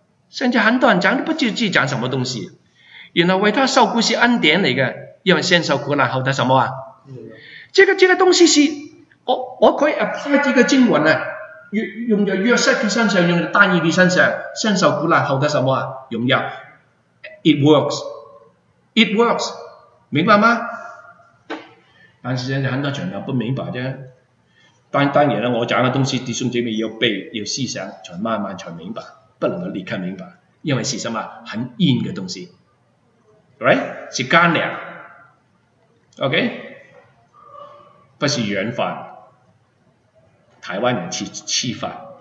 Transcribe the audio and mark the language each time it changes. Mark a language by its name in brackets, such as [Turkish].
[Chinese] 甚至很多人讲都不知道讲什么东西，原来为他受苦是恩典来的，因为先受苦然后他什么啊？这个东西是我可以 apply 这个经文呢，用在约瑟的身上，用在但以理身上，先受苦然后他什么啊？荣耀。 [English] It works, it works， [Chinese] 明白吗？但是现在很多长老不明白啫。当然啦，我讲的东西弟兄姐妹要背，要思想，才慢慢才明白，不能够立刻明白，因为是什么？很硬的东西 ，right？是干粮 ，OK？ 不是软饭，台湾人吃饭，